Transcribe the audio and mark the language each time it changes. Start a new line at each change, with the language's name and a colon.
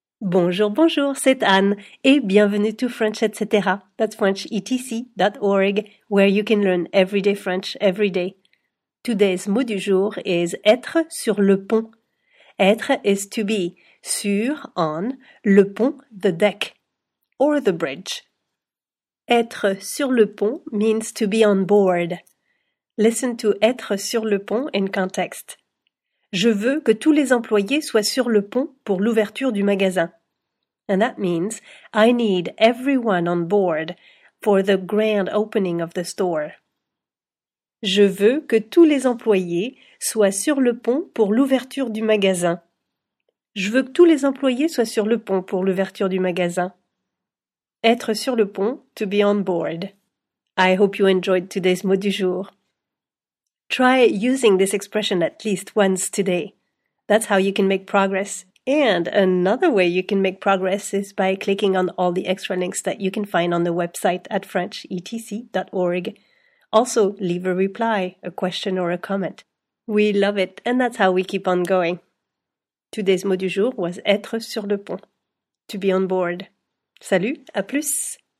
French: Bonjour, bonjour, c'est Anne et bienvenue to French etc.
English: That's FrenchETC.org, where you can learn everyday French every day. Today's mot du jour is
French: être sur le pont.
English: Être is to be, sur, on, le pont, the deck, or the bridge.
French: Être sur le pont
English: means to be on board. Listen to être sur le pont in context.
French: Je veux que tous les employés soient sur le pont pour l'ouverture du magasin.
English: And that means, I need everyone on board for the grand opening of the store.
French: Je veux que tous les employés soient sur le pont pour l'ouverture du magasin. Je veux que tous les employés soient sur le pont pour l'ouverture du magasin. Être sur le pont,
English: to be on board. I hope you enjoyed today's mot du jour. Try using this expression at least once today. That's how you can make progress. And another way you can make progress is by clicking on all the extra links that you can find on the website at FrenchETC.org. Also, leave a reply, a question or a comment. We love it, and that's how we keep on going. Today's mot du jour was
French: être sur le pont.
English: To be on board.
French: Salut, à plus!